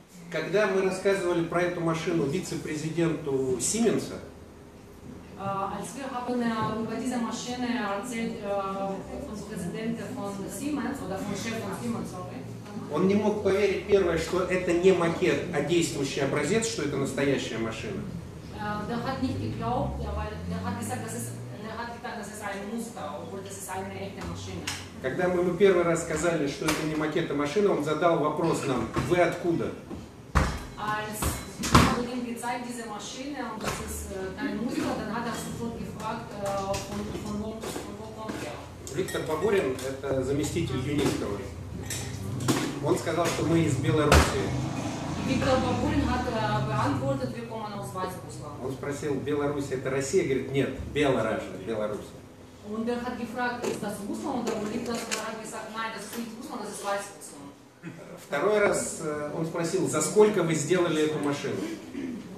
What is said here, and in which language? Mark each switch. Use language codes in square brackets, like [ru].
[ru] Когда мы рассказывали про эту машину вице-президенту Siemens'а, [de] als wir haben über diese Maschine erzählt von Präsidenten von Siemens oder von Chef von Siemens, [ru] Он не мог поверить первое, что это не макет, а действующий образец, что это настоящая машина. [de] Der hat nicht geglaubt, weil er hat gesagt, dass es ein Muster, obwohl das ist eine echte Maschine. [ru] Когда мы ему первый раз сказали, что это не макет, а машина, он задал вопрос нам: вы откуда? [de] Als wir ihm gezeigt diese Maschine und das ist ein Muster, dann hat sofort gefragt, von wo kommt er? [ru] Виктор Бабурин – это заместитель Юнистова. Он сказал, что мы из Белоруссии. [de] Виктор Бабурин hat beantwortet, wir kommen aus Weißrussland. [ru] Он спросил: Беларусь это Россия? Говорит: нет, Белоруссия, Беларусь. [de] Und der hat gefragt, ist das Russland? Und der Ulrich hat gesagt, nein, das ist nicht Russland, das ist Weißrussland. [ru] Второй раз он спросил: за сколько вы сделали эту машину?